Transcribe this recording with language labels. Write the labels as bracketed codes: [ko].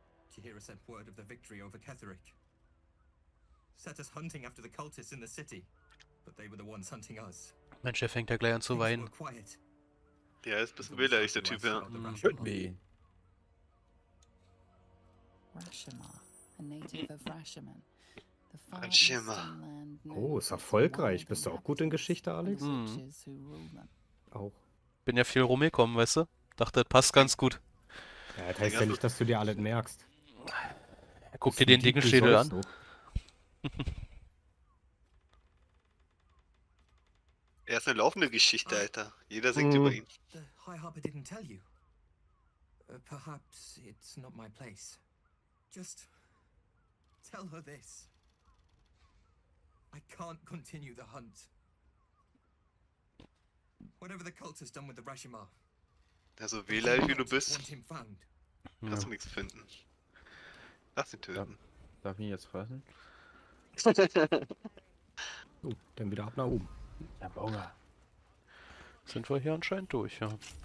[en] Jahira sent word of the victory over Ketherick. Set us hunting after the cultists in the city. But they were the ones hunting us. [de] Mensch, er fängt da gleich an zu weinen. Ja, ist ein bisschen wehleidig, der Typ, ja. [en] Should be. Rashimar. [de] Oh, ist erfolgreich. Bist du auch gut in Geschichte, Alex? Mhm. Auch. Bin ja viel rumgekommen, weißt du? Dachte, das passt ganz gut. Ja, das heißt ja nicht, dass du dir alles merkst. Ja, guck dir den dicken Schädel an. Er ist eine laufende Geschichte, Alter. Jeder singt über ihn. [en] High Harper didn't tell you. Perhaps it's not my place. Just tell her this. I can't continue the hunt. Whatever the cult has done with the Rashimar. [de] Also wehleidig wie du bist, kannst du nichts finden. Lass ihn töten. Darf ich ihn jetzt fressen? So, dann wieder ab nach oben. Na, Bonga. Sind wir hier anscheinend durch, ja.